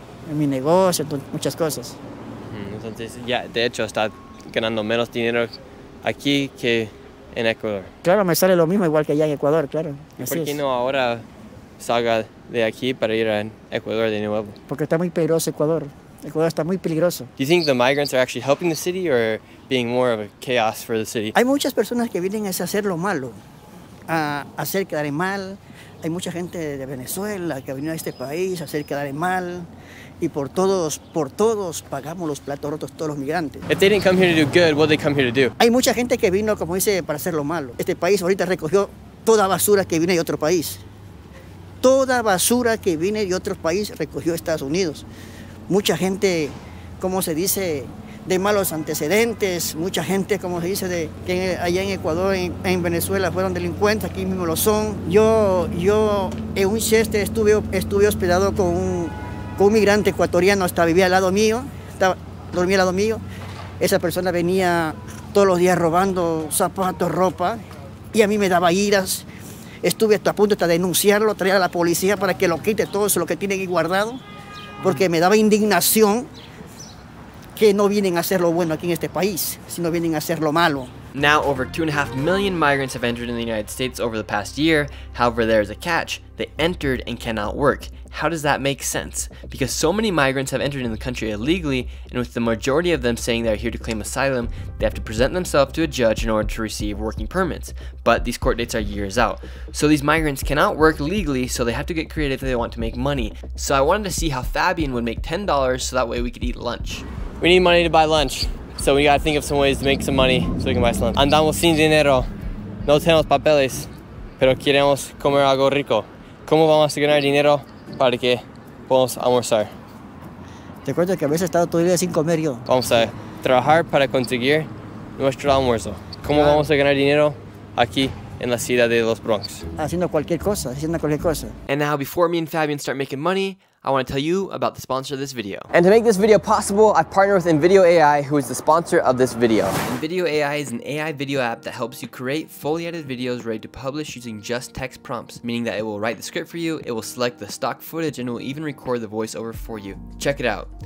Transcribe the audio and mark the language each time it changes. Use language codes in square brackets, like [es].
[es] En mi negocio, muchas cosas. Entonces, ya, de hecho, está ganando menos dinero aquí que en Ecuador. Claro, me sale lo mismo igual que allá en Ecuador, claro. ¿Por qué no ahora salga de aquí para ir a Ecuador de nuevo? Porque está muy peligroso Ecuador. Ecuador está muy peligroso. [en] Do you think the migrants are actually helping the city or being more of a chaos for the city? [es] Hay muchas personas que vienen a hacer lo malo, a hacer quedar mal, Hay mucha gente de Venezuela que ha venido a este país a hacer quedar mal. Y por todos pagamos los platos rotos, todos los migrantes. [en] If they didn't come here to do good, what did they come here to do? [es] Hay mucha gente que vino, como dice, para hacer lo malo. Este país ahorita recogió toda basura que viene de otro país. Toda basura que viene de otro país recogió Estados Unidos. Mucha gente, como se dice, de malos antecedentes, mucha gente, como se dice, de que allá en Ecuador, en Venezuela, fueron delincuentes, aquí mismo lo son. Yo en un chiste estuve hospedado con un migrante ecuatoriano, dormía al lado mío. Esa persona venía todos los días robando zapatos, ropa, y a mí me daba iras. Estuve a punto de denunciarlo, traer a la policía para que lo quite todo eso, lo que tienen ahí guardado, porque me daba indignación que no vienen a hacer lo bueno aquí en este país, sino vienen a hacer lo malo. [en] Now over 2.5 million migrants have entered in the United States over the past year. However, there is a catch. They entered and cannot work. How does that make sense? Because so many migrants have entered in the country illegally, and with the majority of them saying they are here to claim asylum, they have to present themselves to a judge in order to receive working permits. But these court dates are years out. So these migrants cannot work legally, so they have to get creative if they want to make money. So I wanted to see how Fabian would make $10 so that way we could eat lunch. We need money to buy lunch. So we gotta think of some ways to make some money so we can buy some lunch. [es] Andamos sin dinero. No tenemos papeles. Pero queremos comer algo rico. ¿Cómo vamos a ganar dinero para que podamos almorzar? Te cuento que a veces he estado todo el día sin comer yo. Vamos a trabajar para conseguir nuestro almuerzo. ¿Cómo vamos a ganar dinero aquí en la ciudad de Los Bronx? Haciendo cualquier cosa. [en] And now, before me and Fabian start making money, I want to tell you about the sponsor of this video. And to make this video possible, I've partnered with NVIDIA AI, who is the sponsor of this video. NVIDIA AI is an AI video app that helps you create fully edited videos ready to publish using just text prompts, meaning that it will write the script for you, it will select the stock footage, and it will even record the voiceover for you. Check it out.